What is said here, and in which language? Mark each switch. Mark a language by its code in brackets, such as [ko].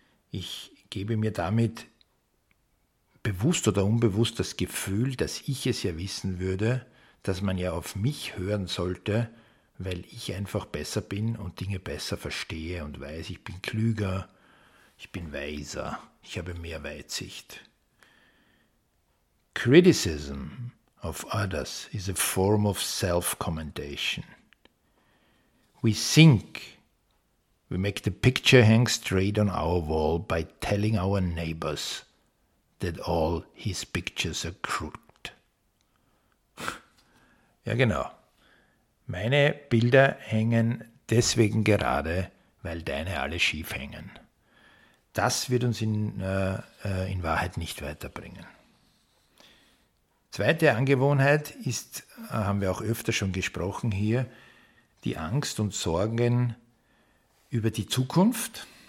[de] Ich gebe mir damit bewusst oder unbewusst das Gefühl, dass ich es ja wissen würde, dass man ja auf mich hören sollte, weil ich einfach besser bin und Dinge besser verstehe und weiß, ich bin klüger, ich bin weiser, ich habe mehr Weitsicht. [en] Criticism of others is a form of self-commendation. We think we make the picture hang straight on our wall by telling our neighbors that all his pictures are crooked. [de] Ja, genau. Meine Bilder hängen deswegen gerade, weil deine alle schief hängen. Das wird uns in Wahrheit nicht weiterbringen. Zweite Angewohnheit ist, haben wir auch öfter schon gesprochen hier, die Angst und Sorgen über die Zukunft.